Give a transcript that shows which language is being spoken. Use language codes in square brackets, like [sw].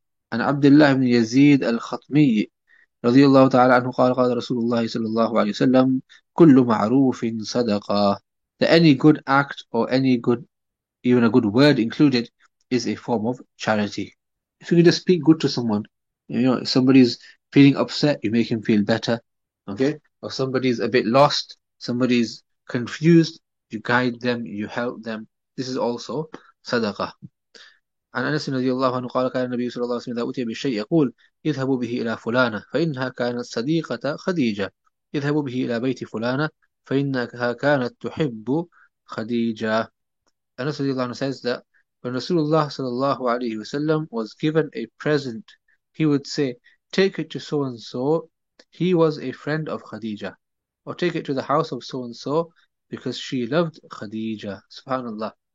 [ar] And Abdullah ibn Yazid al-Khatmi رضي الله تعالى عنه قال قال رسول الله صلى الله عليه وسلم كل معروف صدقة. [en] That any good act or any good, even a good word included, is a form of charity. If you can just speak good to someone, you know, if somebody is feeling upset, you make him feel better, okay? Or somebody is a bit lost, somebody is confused, you guide them, you help them. This is also sadaqah. [ar] عن أنس رضي الله عنه قال كان النبي صلى الله عليه وسلم إذا أتي بشيء يقول اذهبوا به إلى فلانة فإنها كانت صديقة خديجة اذهبوا به إلى بيت فلانة فإنها كانت تحب خديجة. [en] أنس رضي الله عنه says that when Rasulullah صلى الله عليه وسلم was given a present, he would say, take it to so and so, he was a friend of Khadija, or take it to the house of so and so because she loved Khadija. Subhanallah.